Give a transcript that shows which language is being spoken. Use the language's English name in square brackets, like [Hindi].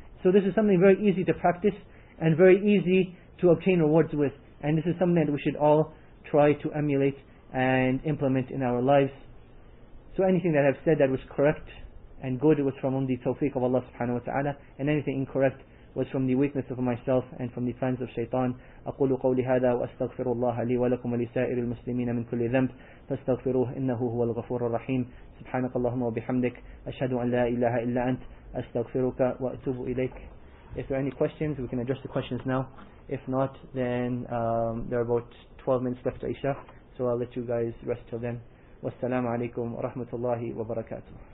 [English] So this is something very easy to practice and very easy to obtain rewards with. And this is something that we should all try to emulate and implement in our lives. So anything that I've said that was correct and good was from the tawfiq of Allah subhanahu wa ta'ala, and anything incorrect was from the weakness of myself and from the plans of shaitan. [Arabic] أقول قولي هذا وأستغفر الله لي ولكم ولسائر المسلمين من كل ذنب فاستغفروه إنه هو الغفور الرحيم. سبحانك اللهم وبحمدك أشهد أن لا إله إلا أنت أستغفرك وأتوب إليك. [English] If there are any questions, we can address the questions now. If not, then there are about 12 minutes left to Isha, so I'll let you guys rest till then. [Arabic] والسلام عليكم ورحمة الله وبركاته.